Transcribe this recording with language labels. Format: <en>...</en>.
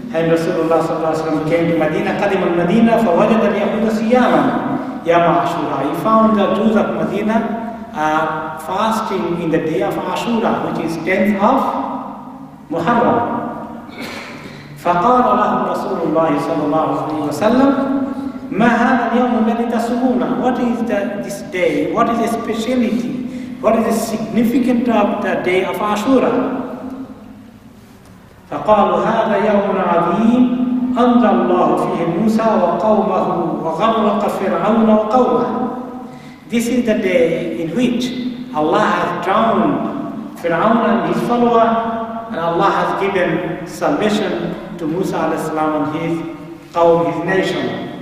<en>And Rasulullah sallallahu alayhi wa sallam came to Medina,</en> <ar>قَدِمَ الْمَدِينَ فَوَجَدَ الْيَهُودَ سِيَامًا يَا مَا</ar> <en>Ashura. He found the Jews of Medina fasting in the day of Ashura, which is 10th of Muharram.</en> <ar>فَقَالَ لَهُمْ رَسُولُ اللَّهِ sallallahu alayhi wa sallam, مَا هَذَا الْيَوْمُ الَّذِي تَسُهُونَ.</ar> <en>What is this day? What is the speciality? What is the significance of the day of Ashura?</en> <ar>فَقَالُوا هَذَا يَوْمٌ عَظِيمٌ أَنْزَلَ اللَّهُ فِيهِ مُوسَى وَقَوْمَهُ وَغَرَّقَ فِرْعَوْنَ وَقَوْمَهُ.</ar> <en>This is the day in which Allah has drowned Fir'aun and his follower, and Allah has given salvation to Musa alayhi salam and his qawm, his nation.</en>